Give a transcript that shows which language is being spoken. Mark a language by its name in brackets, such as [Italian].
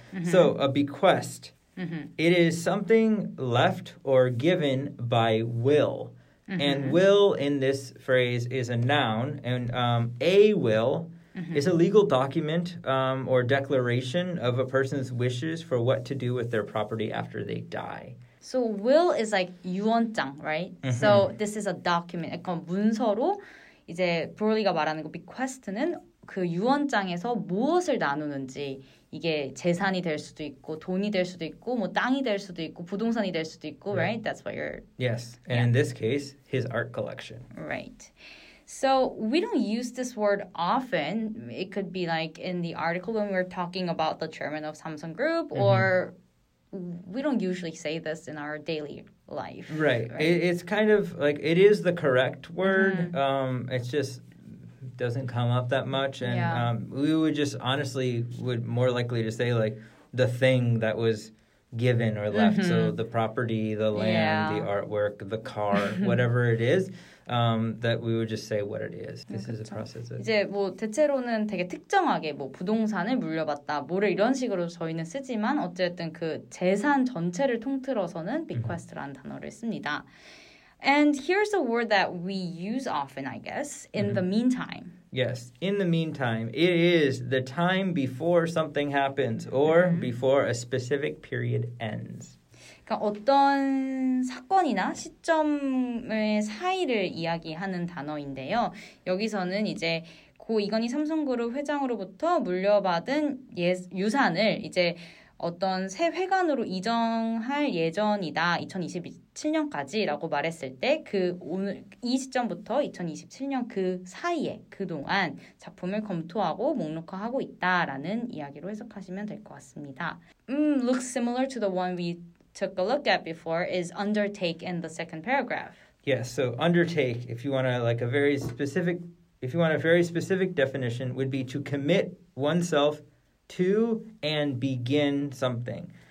[English] Mm-hmm. So a bequest. Mm-hmm. It is something left or given by will. Mm-hmm. And will in this phrase is a noun. And a will mm-hmm. is a legal document or declaration of a person's wishes for what to do with their property after they die. So will is like 유언장, right? Mm-hmm. So this is a document. [Korean] 그 문서로 이제 브롤리가 말하는 거 bequest는 그 유언장에서 무엇을 나누는지 이게 재산이 될 수도 있고 돈이 될 수도 있고 뭐 땅이 될 수도 있고 부동산이 될 수도 있고, right? [English] Right? That's what you're. Yes, and yeah. in this case, his art collection. Right. So we don't use this word often. It could be like in the article when we're talking about the chairman of Samsung Group mm-hmm. or. We don't usually say this in our daily life. Right. It's kind of like it is the correct word. Mm-hmm. It just doesn't come up that much. And we would just honestly would more likely to say like the thing that was given or left. Mm-hmm. So the property, the land, the artwork, the car, whatever it is. That we would just say what it is. This [Korean] 그쵸. [English] Is a process. Of... [Korean] 이제 뭐 대체로는 되게 특정하게 뭐 부동산을 물려받다 뭐를 이런 식으로 저희는 쓰지만 어쨌든 그 재산 전체를 통틀어서는 bequest라는 mm-hmm. 단어를 씁니다. [English] And here's a word that we use often, I guess, in mm-hmm. the meantime. Yes, in the meantime, it is the time before something happens or mm-hmm. before a specific period ends. [Korean] 그러니까 어떤 사건이나 시점의 사이를 이야기하는 단어인데요. 여기서는 이제 고 이건희 삼성그룹 회장으로부터 물려받은 유산을 이제 어떤 새 회관으로 이전할 예정이다. 2027년까지라고 말했을 때 그 오늘 이 시점부터 2027년 그 사이에 그동안 작품을 검토하고 목록화하고 있다라는 이야기로 해석하시면 될 것 같습니다. [English] Looks similar to the one we took a look at before is undertake in the second paragraph. Yes, so undertake, if you want a very specific definition, would be to commit oneself to and begin something.